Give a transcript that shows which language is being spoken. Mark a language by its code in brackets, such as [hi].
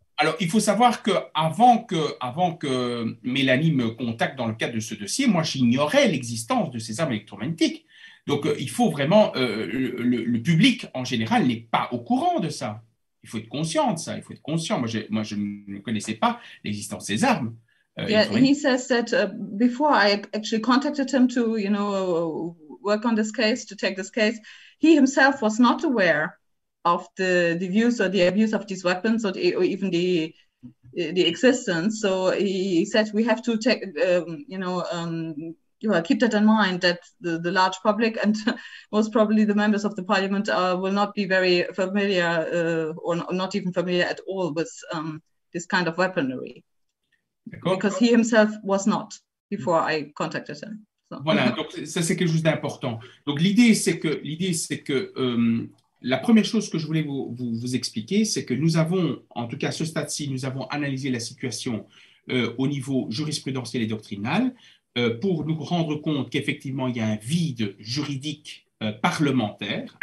[fr] alors, il faut savoir qu'avant que Mélanie me contacte dans le cadre de ce dossier, moi, j'ignorais l'existence de ces armes électromagnétiques. Donc, il faut vraiment. Le public, en général, n'est pas au courant de ça. Il faut être conscient de ça, il faut être conscient. Moi, je ne connaissais pas l'existence des armes [en] Yeah, he [fr] électromagnétiques. [en] says that before I actually contacted him to, work on this case, to take this case, he himself was not aware of the use or the abuse of these weapons or even the existence. So he said we have to take, you know, keep that in mind, that the large public and most probably the members of the parliament will not be very familiar or not even familiar at all with this kind of weaponry. [fr] D'accord. [en] Because he himself was not before I contacted him. [fr] Voilà, donc ça c'est quelque chose d'important. Donc l'idée c'est que la première chose que je voulais vous expliquer, c'est que nous avons, en tout cas à ce stade-ci, nous avons analysé la situation au niveau jurisprudentiel et doctrinal pour nous rendre compte qu'effectivement il y a un vide juridique parlementaire.